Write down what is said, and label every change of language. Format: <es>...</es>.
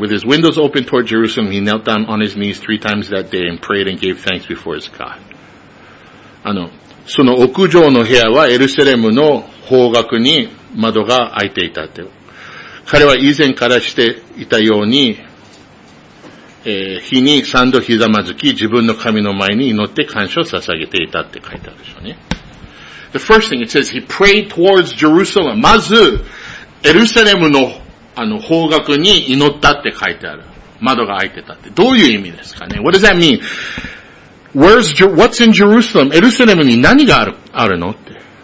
<en>With his windows open toward Jerusalem, he knelt down on his knees three times that day and prayed and gave thanks before his God.</en> <ja>その屋上の部屋はエルサレムの方角に窓が開いていたって。彼は以前からしていたように、日に三度ひざまずき、自分の神の前に祈って感謝を捧げていたって書いてあるでしょうね。</ja> <en>The first thing it says, he prayed towards Jerusalem.</en> <ja>まず、エルサレムの方角に祈ったって書いてある。窓が開いてたって。どういう意味ですかね</ja> <en>?What does that mean? What's in Jerusalem?</en> <ja>エルサレムに何があ るのって。</ja>